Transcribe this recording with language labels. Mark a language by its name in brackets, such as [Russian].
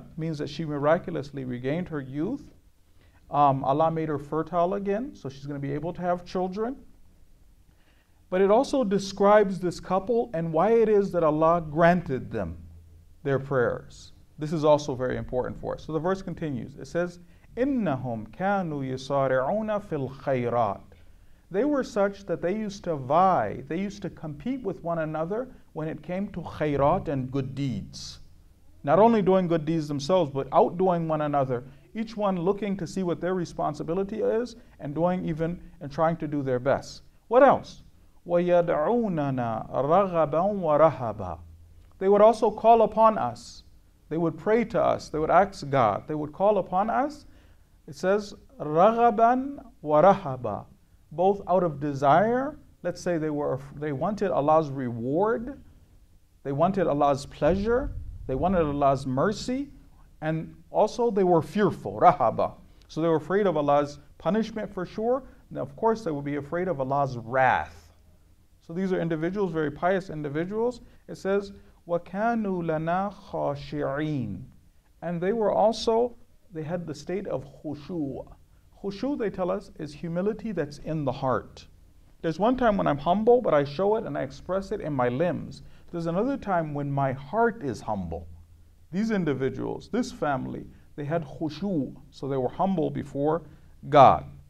[English] It means that she miraculously regained her youth. Allah made her fertile again, so she's going to be able to have children. But it also describes this couple and why it is that Allah granted them their prayers. This is also very important for us. So the verse continues. It says, [Arabic] إِنَّهُمْ كَانُوا يُسَارِعُونَ فِي الْخَيْرَاتِ. [English] They were such that they used to vie, they used to compete with one another when it came to khayrat and good deeds. Not only doing good deeds themselves, but outdoing one another, each one looking to see what their responsibility is and doing even and trying to do their best. What else? [Arabic] وَيَدْعُونَنَا رَغَبًا وَرَهَبًا. [English] They would also call upon us. They would pray to us. They would ask God. They would call upon us. It says, [Arabic] رَغَبًا وَرَهَبًا. [English] Both out of desire. Let's say they wanted Allah's reward. They wanted Allah's pleasure. They wanted Allah's mercy. And also they were fearful, rahaba. So they were afraid of Allah's punishment for sure. And of course they would be afraid of Allah's wrath. So these are individuals, very pious individuals. It says, [Arabic] وَكَانُوا لَنَا خَاشِعِينَ. [English] And they were also, they had the state of khushu. Khushu, they tell us, is humility that's in the heart. There's one time when I'm humble, but I show it and I express it in my limbs. There's another time when my heart is humble. These individuals, this family, they had khushu, so they were humble before God.